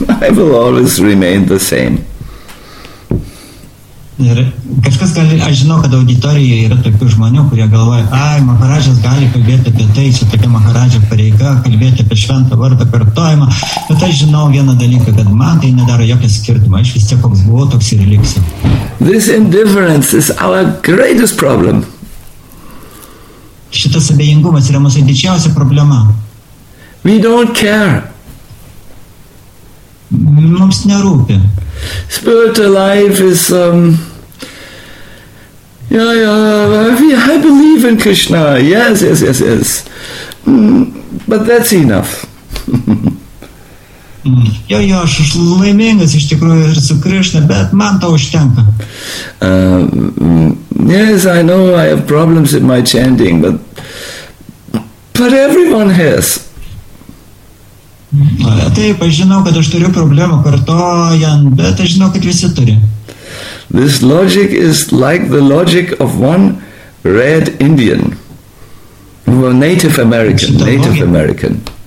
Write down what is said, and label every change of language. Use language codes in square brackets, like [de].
[en] I will always remain the same. [lt] Ir kažkas gali, aš žinau, kad auditorijoje yra tokių žmonių, kurie galvoja, ai, Maharajas gali kalbėti apie tai, čia tokia Maharajo pareiga, kalbėti apie šventą vardą kartojimą, bet aš žinau vieną dalyką, kad man tai nedaro jokio skirtumą, aš vis tiek koks buvau, toks ir liksiu. [en] This indifference is our greatest problem. [lt] Šitas abejingumas yra mūsų didžiausia problema. [en] We don't care. [lt] Mums nerūpi. [en] Spiritual life is, I believe in Krishna, yes, but that's enough. [lt] Jo, jo, aš laimingas, iš tikrųjų ir su Krišna, bet man to užtenka. [en] Yes, I know I have problems in my chanting, but everyone has. [lt] Taip, aš žinau, kad aš turiu problemų kartojant, bet aš žinau, kad visi turi. [en] This logic is like the logic of one red Indian, Native American.